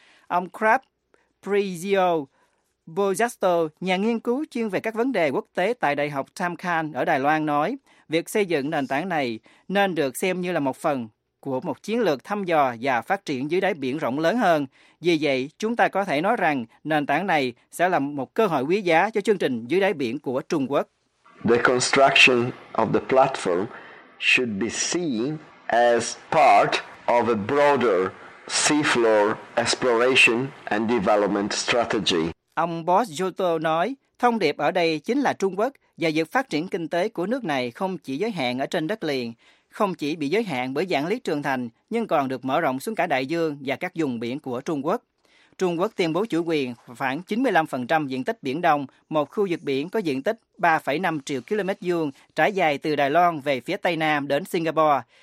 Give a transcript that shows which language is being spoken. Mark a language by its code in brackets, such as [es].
[vi] Ông Krab Prigio Bojasto, nhà nghiên cứu chuyên về các vấn đề quốc tế tại Đại học Tamkhan ở Đài Loan nói, việc xây dựng nền tảng này nên được xem như là một phần của một chiến lược thăm dò và phát triển dưới đáy biển rộng lớn hơn. Vì vậy, chúng ta có thể nói rằng nền tảng này sẽ là một cơ hội quý giá cho chương trình dưới đáy biển của Trung Quốc. [en] The construction of the platform should be seen as part of a broader seafloor exploration and development strategy. [vi] Ông Boss Joto nói, thông điệp ở đây chính là Trung Quốc và việc phát triển kinh tế của nước này không chỉ giới hạn ở trên đất liền, không chỉ bị giới hạn bởi dạng lý trường thành, nhưng còn được mở rộng xuống cả đại dương và các vùng biển của Trung Quốc. Trung Quốc tuyên bố chủ quyền khoảng 95% diện tích Biển Đông, một khu vực biển có diện tích 3,5 triệu km vuông, trải dài từ Đài Loan về phía Tây Nam đến Singapore.